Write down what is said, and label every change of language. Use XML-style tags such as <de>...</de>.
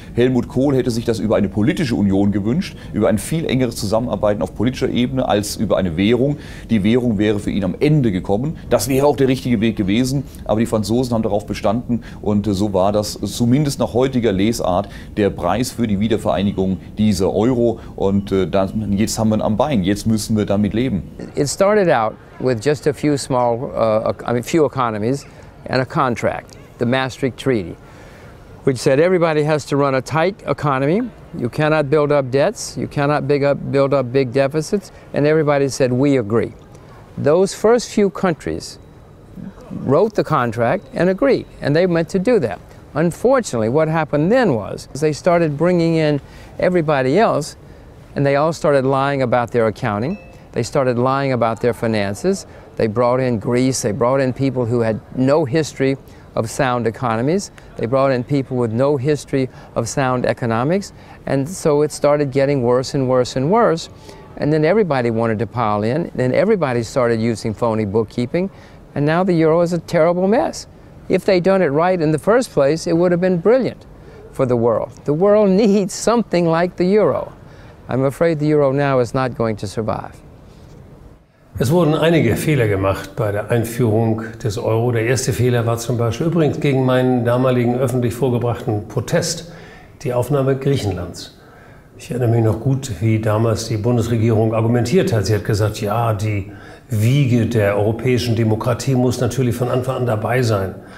<de>Helmut Kohl hätte sich das über eine politische Union gewünscht, über ein viel engeres Zusammenarbeiten auf politischer Ebene als über eine Währung. Die Währung wäre für ihn am Ende gekommen. Das wäre auch der richtige Weg gewesen, aber die Franzosen haben darauf bestanden und so war das zumindest nach heutiger Lesart der Preis für die Wiedervereinigung dieser Euro. Und dann, jetzt haben wir ihn am Bein, jetzt müssen wir damit leben.</de> <en>It started out with just a few small, few economies and a contract, the Maastricht Treaty, which said everybody has to run a tight economy. You cannot build up debts, you cannot build up big deficits, and everybody said, we agree. Those first few countries wrote the contract and agreed, and they meant to do that. Unfortunately, what happened then was they started bringing in everybody else, and they all started lying about their accounting, they started lying about their finances, they brought in Greece, they brought in people who had no history of sound economies. They brought in people with no history of sound economics. And so it started getting worse and worse and worse. And then everybody wanted to pile in. Then everybody started using phony bookkeeping. And now the euro is a terrible mess. If they'd done it right in the first place, it would have been brilliant for the world. The world needs something like the euro. I'm afraid the euro now is not going to survive.</en> <de>Es wurden einige Fehler gemacht bei der Einführung des Euro. Der erste Fehler war zum Beispiel übrigens gegen meinen damaligen öffentlich vorgebrachten Protest, die Aufnahme Griechenlands. Ich erinnere mich noch gut, wie damals die Bundesregierung argumentiert hat. Sie hat gesagt, ja, die Wiege der europäischen Demokratie muss natürlich von Anfang an dabei sein.</de>